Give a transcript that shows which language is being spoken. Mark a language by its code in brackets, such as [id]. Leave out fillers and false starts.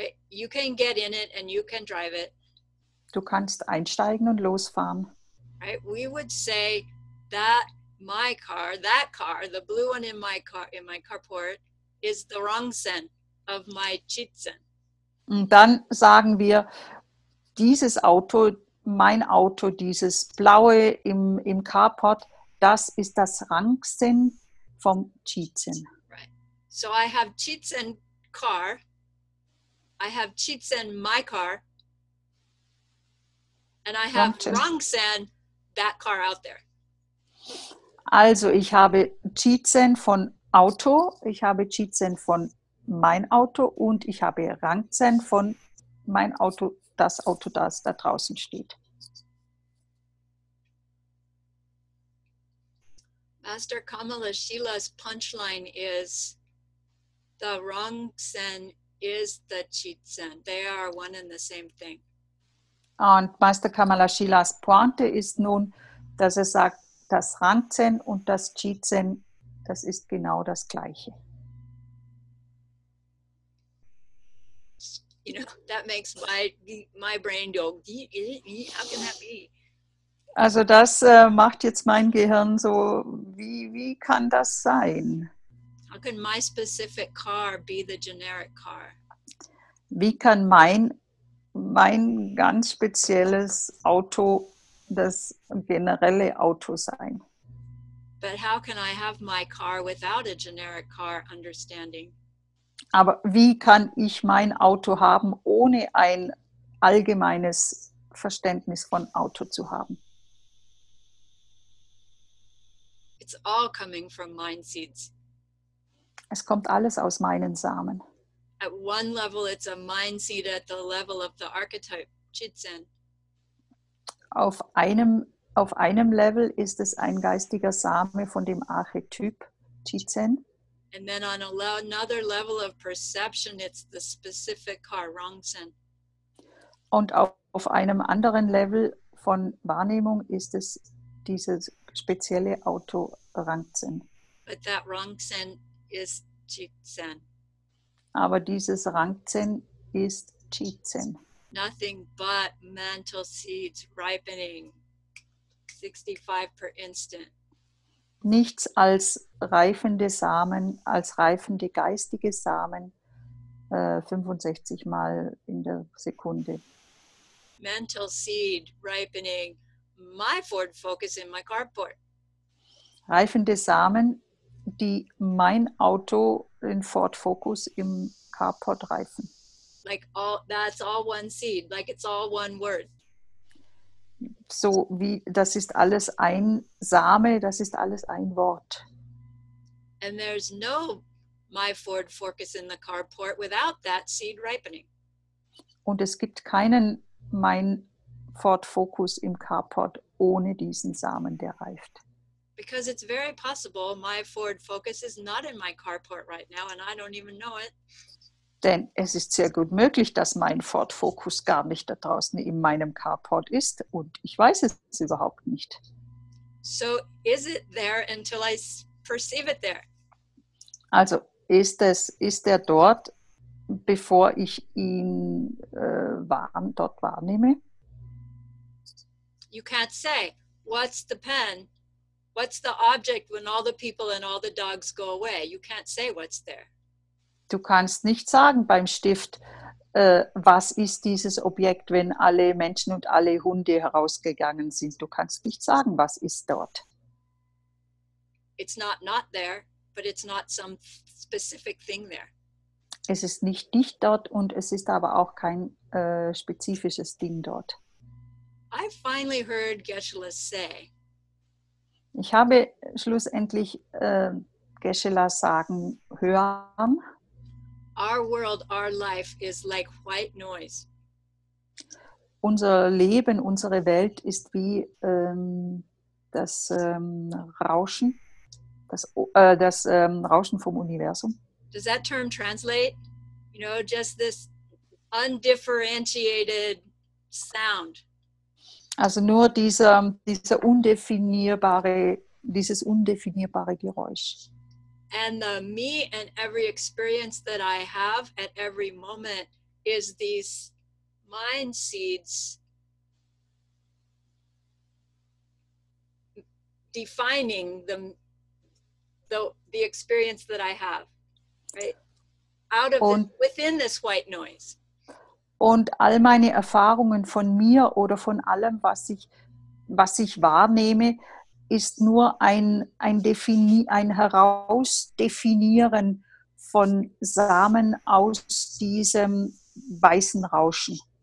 [en] You can get in it and you can drive it. [de] Du kannst einsteigen und losfahren. [en] Right? We would say that my car, that car, the blue one in my carport, is the rongsen of my chitsen. [de] Und dann sagen wir, dieses Auto, mein Auto, dieses blaue im Carport, das ist das Rongsen vom chitsen. [en] So I have chitsen car, I have chitsen my car, and I have rongsen that car out there. [de] Also ich habe chitsen von Auto, ich habe chitsen von mein Auto und ich habe rongsen von mein Auto, das Auto, das da draußen steht. [en] Master Kamala Shila's punchline is, the rongsen is the chitsen. They are one and the same thing. [de] Und Master Kamala Shilas Pointe ist nun, dass er sagt, das rongsen und das chitsen, das ist genau das Gleiche. [en] You know, that makes my brain go, how can that be? [de] Also das macht jetzt mein Gehirn so, wie kann das sein? [en] How can my specific car be the generic car? [de] Wie kann mein ganz spezielles Auto das generelle Auto sein? [en] But how can I have my car without a generic car understanding? [de] Aber wie kann ich mein Auto haben, ohne ein allgemeines Verständnis von Auto zu haben? [en] It's all coming from mind seeds. [de] Es kommt alles aus meinen Samen. [en] At one level it's a mind seed at the level of the archetype chitsen. [de] Auf einem Level ist es ein geistiger Same von dem Archetyp chitsen. [en] And then on another level of perception it's the specific car rongsen. [de] Und auf einem anderen Level von Wahrnehmung ist es dieses spezielle Auto rongsen. [en] But that rongsen is chitsen. [de] Aber dieses Rangzen ist chitsen. [en] Nothing but mental seeds ripening 65 per instant. [de] Nichts als reifende Samen, als reifende geistige Samen 65 mal in der Sekunde. [en] Mental seed ripening my Ford Focus in my carport. [de] Reifende Samen die mein Auto in Ford Focus im Carport reifen. [en] Like all, that's all one seed, like it's all one word. [de] So wie, das ist alles ein Same, das ist alles ein Wort. [en] And there's no my Ford Focus in the carport without that seed ripening. [de] Und es gibt keinen mein Ford Focus im Carport ohne diesen Samen, der reift. [en] Because it's very possible my Ford Focus is not in my carport right now and I don't even know it. [de] Denn es ist sehr gut möglich, dass mein Ford Focus gar nicht da draußen in meinem Carport ist und ich weiß es überhaupt nicht. [en] So is it there until I perceive it there? [de] Also ist er dort, bevor ich ihn dort wahrnehme? [en] You can't say, what's the pen? What's the object when all the people and all the dogs go away? You can't say what's there. [de] Du kannst nicht sagen beim Stift, was ist dieses Objekt, wenn alle Menschen und alle Hunde herausgegangen sind. Du kannst nicht sagen, was ist dort. [en] It's not not there, but it's not some specific thing there. [de] Es ist nicht dicht dort und es ist aber auch kein spezifisches Ding dort. [en] I finally heard Geshe-la say. [de] Ich habe schlussendlich Geshe-la sagen hören. [en] Our world, our life is like white noise. [de] Unser Leben, unsere Welt ist wie Rauschen, Rauschen vom Universum. [en] Does that term translate? You know, just this undifferentiated sound. [de] Also nur dieser undefinierbare, dieses undefinierbare Geräusch. [en] And the me and every experience that I have at every moment is these mind seeds defining the experience that I have, right? Out of within this white noise. [de] Und all meine Erfahrungen von mir oder von allem, was ich wahrnehme, ist nur ein Herausdefinieren von Samen aus diesem weißen Rauschen.